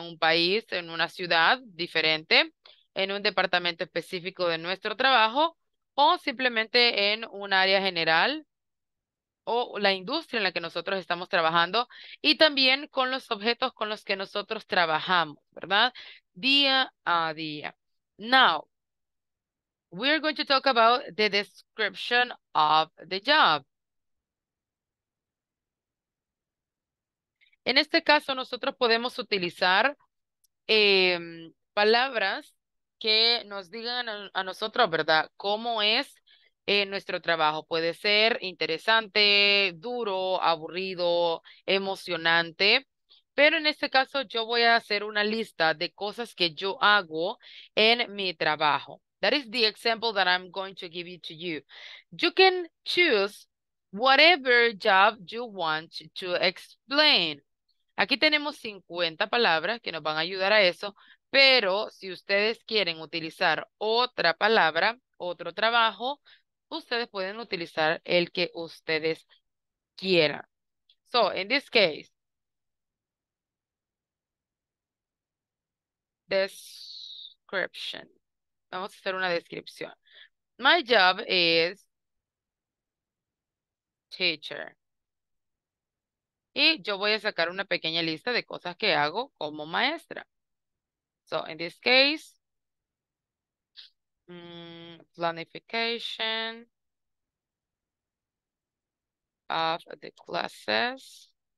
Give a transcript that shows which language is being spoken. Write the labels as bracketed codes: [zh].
[es] En un país, en una ciudad diferente, en un departamento específico de nuestro trabajo o simplemente en un área general o la industria en la que nosotros estamos trabajando y también con los objetos con los que nosotros trabajamos, ¿verdad? Día a día. [en] Now, we're going to talk about the description of the job. [es] En este caso, nosotros podemos utilizar palabras que nos digan a nosotros, ¿verdad?, cómo es nuestro trabajo. Puede ser interesante, duro, aburrido, emocionante, pero en este caso yo voy a hacer una lista de cosas que yo hago en mi trabajo. [en] That is the example that I'm going to give it to you. You can choose whatever job you want to explain. [es] Aquí tenemos 50 palabras que nos van a ayudar a eso, pero si ustedes quieren utilizar otra palabra, otro trabajo, ustedes pueden utilizar el que ustedes quieran. [en] So, in this case, [es] description. Vamos a hacer una descripción. [en] My job is teacher. [es] Y yo voy a sacar una pequeña lista de cosas que hago como maestra. [en] So, in this case, planification of the classes.